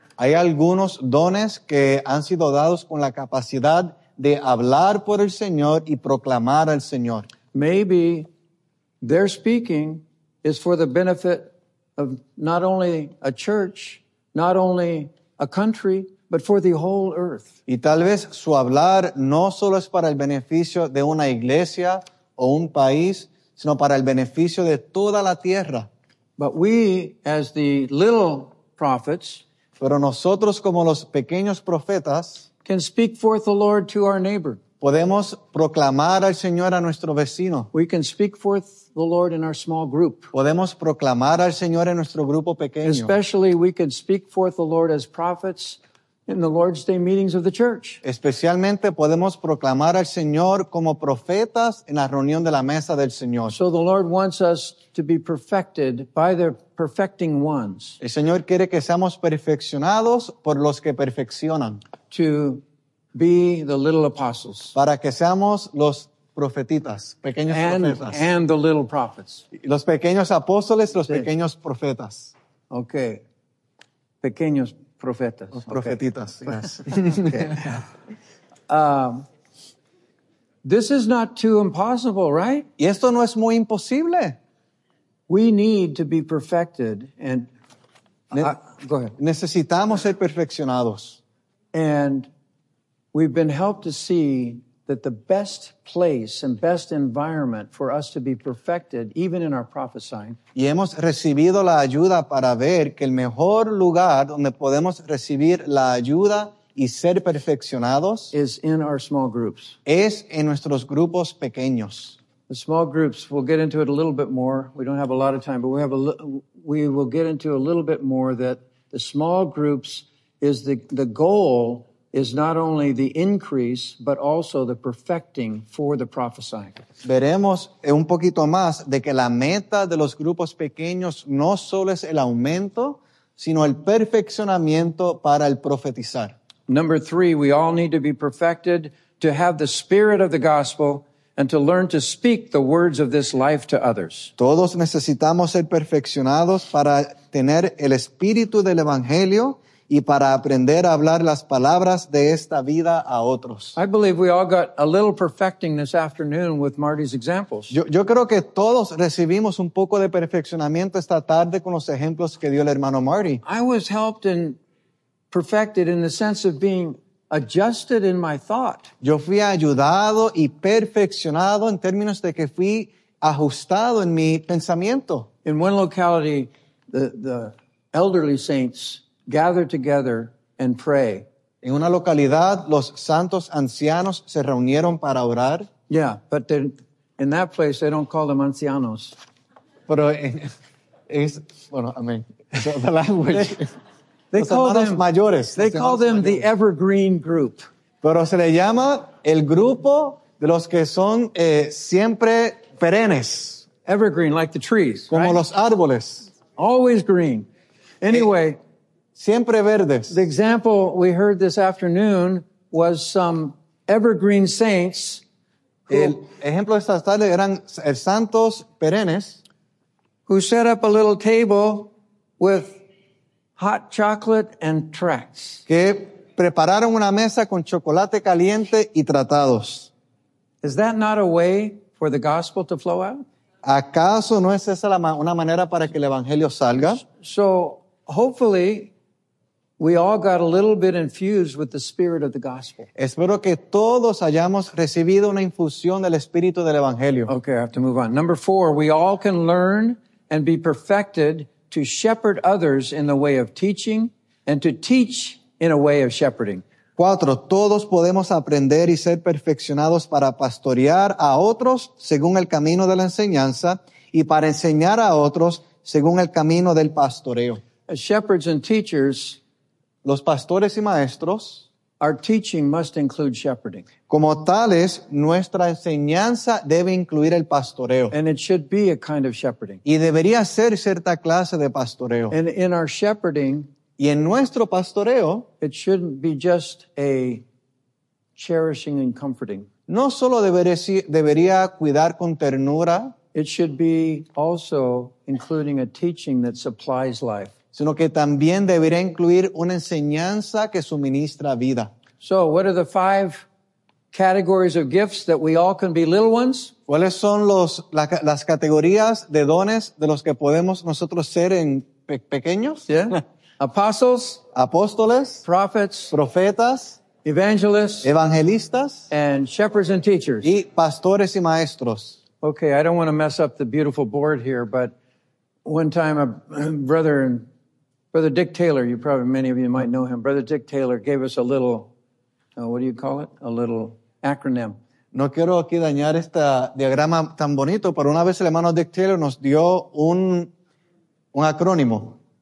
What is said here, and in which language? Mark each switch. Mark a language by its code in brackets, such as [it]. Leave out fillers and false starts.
[es] Hay algunos dones que han sido dados con la capacidad de hablar por el Señor y proclamar al Señor. [en] Maybe their speaking is for the benefit of not only a church, not only a country, but for the whole earth. [es] Y tal vez su hablar no solo es para el beneficio de una iglesia o un país, sino para el beneficio de toda la tierra. [en] But we, as the little prophets, [es] pero nosotros como los pequeños profetas, [en] can speak forth the Lord to our neighbor. [es] Podemos proclamar al Señor a nuestro vecino. [en] We can speak forth the Lord in our small group. [es] Podemos proclamar al Señor en nuestro grupo pequeño. [en] Especially we can speak forth the Lord as prophets in the Lord's Day meetings of the church. [es] Especialmente podemos proclamar al Señor como profetas en la reunión de la mesa del Señor. [en] So the Lord wants us to be perfected by the perfecting ones. [es] El Señor quiere que seamos perfeccionados por los que perfeccionan. [en] To be the little apostles. [es] Para que seamos los profetitas, pequeños profetas. [en] And the little prophets. [es] Los pequeños apóstoles, los pequeños profetas. Okay. Pequeños profetas. Los profetitas, okay. [en] Yes. Okay. This is not too impossible, right? [es] Y esto no es muy imposible. [en] We need to be perfected and... go ahead. [es] Necesitamos ser perfeccionados. [en] And we've been helped to see that the best place and best environment for us to be perfected, even in our prophesying. [es] Y hemos recibido la ayuda para ver que el mejor lugar donde podemos recibir la ayuda y ser perfeccionados [en] is in our small groups. [es] Es en nuestros grupos pequeños. [en] The small groups, we'll get into it a little bit more. We don't have a lot of time, but we will get into a little bit more that the small groups is the goal is not only the increase, but also the perfecting for the prophesying. [es] Veremos un poquito más de que la meta de los grupos pequeños no solo es el aumento, sino el perfeccionamiento para el profetizar. [en] Number three, we all need to be perfected to have the spirit of the gospel and to learn to speak the words of this life to others. [es] Todos necesitamos ser perfeccionados para tener el espíritu del evangelio y para aprender a hablar las palabras de esta vida a otros. [en] I believe we all got a little perfecting this afternoon with Marty's examples. [es] Yo creo que todos recibimos un poco de perfeccionamiento esta tarde con los ejemplos que dio el hermano Marty. [en] I was helped and perfected in the sense of being adjusted in my thought. [es] Yo fui ayudado y perfeccionado en términos de que fui ajustado en mi pensamiento. [en] In one locality, the elderly saints gather together and pray. [es] En una localidad, los santos ancianos se reunieron para orar. [en] Yeah, but in that place, they don't call them ancianos. [es] Pero es, bueno, [en] I mean, so the language. They call them [es] mayores. [en] They call them the evergreen group. [es] Pero se le llama el grupo de los que son siempre perennes. [en] Evergreen, like the trees. [es] Como [en] right? [es] Los árboles. [en] Always green. Anyway. [es] Siempre verdes. [en] The example we heard this afternoon was some evergreen saints. [es] El ejemplo de esta tarde eran santos perennes. [en] Who set up a little table with hot chocolate and tracts. [es] Que prepararon una mesa con chocolate caliente y tratados. [en] Is that not a way for the gospel to flow out? [es] ¿Acaso no es esa una manera para que el evangelio salga? [en] So, hopefully, we all got a little bit infused with the spirit of the gospel. [es] Espero que todos hayamos recibido una infusión del espíritu del evangelio. [en] Okay, I have to move on. Number four, we all can learn and be perfected to shepherd others in the way of teaching and to teach in a way of shepherding. [es] Cuatro, todos podemos aprender y ser perfeccionados para pastorear a otros según el camino de la enseñanza y para enseñar a otros según el camino del pastoreo. [en] As shepherds and teachers, [es] los pastores y maestros, [en] Our teaching must include shepherding. [es] Como tales, nuestra enseñanza debe incluir el pastoreo. [en] And it should be a kind of shepherding. [es] Y debería ser cierta clase de pastoreo. [en] And in our shepherding, [es] y en nuestro pastoreo, [en] it shouldn't be just a cherishing and comforting. [es] No solo debería cuidar con ternura, [en] it should be also including a teaching that supplies life. [es] Sino que también debería incluir una enseñanza que suministra vida. [en] So, what are the five categories of gifts that we all can be little ones? [es] ¿Cuáles son las categorías de dones de los que podemos nosotros ser en pequeños? [en] Yeah. Apostles. [es] Apóstoles. [en] Prophets. [es] Profetas. [en] Evangelists. [es] Evangelistas. [en] And shepherds and teachers. [es] Y pastores y maestros. [en] Okay, I don't want to mess up the beautiful board here, but one time Brother Dick Taylor, many of you might know him. Brother Dick Taylor gave us a little, what do you call it? A little acronym. [es] No quiero aquí dañar este diagrama tan bonito, pero una vez el hermano Dick Taylor nos dio un acrónimo.